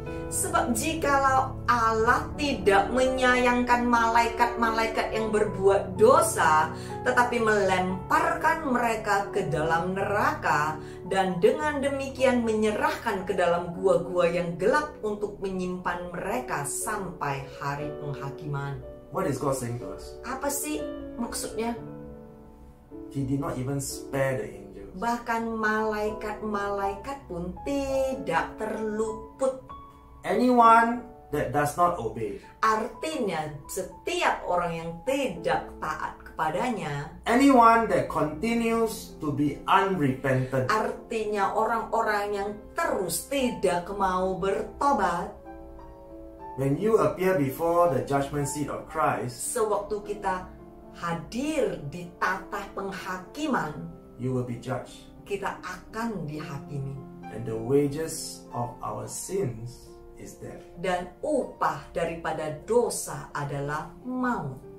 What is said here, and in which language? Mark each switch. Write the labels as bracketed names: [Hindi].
[Indonesian] Sebab jikalau Allah tidak menyayangkan malaikat-malaikat yang berbuat dosa, tetapi melemparkan mereka ke dalam neraka, dan dengan demikian menyerahkan ke dalam gua-gua yang gelap untuk menyimpan mereka sampai hari penghakiman. [English] What is God saying to us? [Indonesian] Apa sih maksudnya? [English] He did not even spare the angels. [Indonesian] Bahkan malaikat-malaikat pun tidak terluput. [English] Anyone that does not obey. [Indonesian] Artinya setiap orang yang tidak taat kepadanya. [English] Anyone that continues to be unrepentant. [Indonesian] Artinya orang-orang yang terus tidak mau bertobat. [English] When you appear before the judgment seat of Christ, [Indonesian] sewaktu kita hadir di tata penghakiman, [English] you will be judged. [Indonesian] Kita akan dihakimi. [English] And the wages of our sins is death. [Indonesian] Dan upah daripada dosa adalah maut.